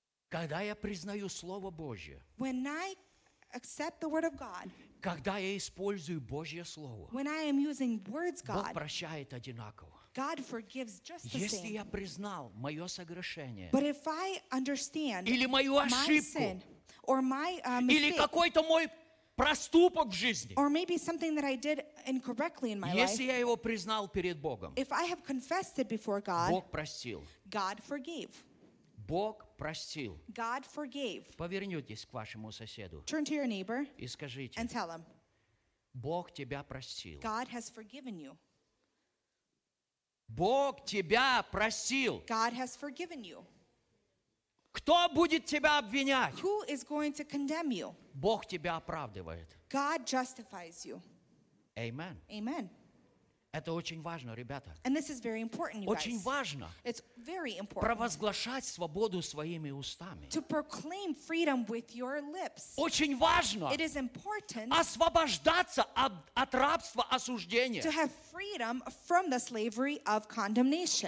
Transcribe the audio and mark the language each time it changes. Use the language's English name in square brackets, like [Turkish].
[Russian] Когда я признаю Слово Божье, [English] when I accept the word of God. [Russian] Когда я использую Божье слово, [English] when I am using words, God, [Russian] Бог прощает одинаково. [English] God forgives just the [Russian] Если я признал мое согрешение, [English] but if I understand [Russian] или мою ошибку, [English] my sin or my mistake, [Russian] или какой-то мой проступок в жизни, [English] or maybe something that I did incorrectly in my [Russian] если [English] life, [Russian] я его признал перед Богом, [English] if I have confessed it before God, [Russian] Бог простил. [English] God forgave. [Russian] Бог простил. [English] God forgave. [Russian] Повернитесь к вашему соседу. [English] Turn to your neighbor [Russian] и скажите, [English] and tell him, [Russian] Бог тебя простил. [English] God has forgiven you. [Russian] Бог тебя простил. [English] God has forgiven you. [Russian] Кто будет тебя обвинять? [English] Who is going to condemn you? [Russian] Бог тебя оправдывает. [English] God justifies you. Amen. Amen. [Russian] Это очень важно, ребята. [English] And this is very important, you [Russian] очень [English] guys. [Russian] Важно [English] It's very important. [Russian] Провозглашать свободу своими устами. [English] To proclaim freedom with your lips. [Russian] Очень важно [English] It is important [Russian] освобождаться от рабства осуждения. [English] To have freedom from the slavery of condemnation.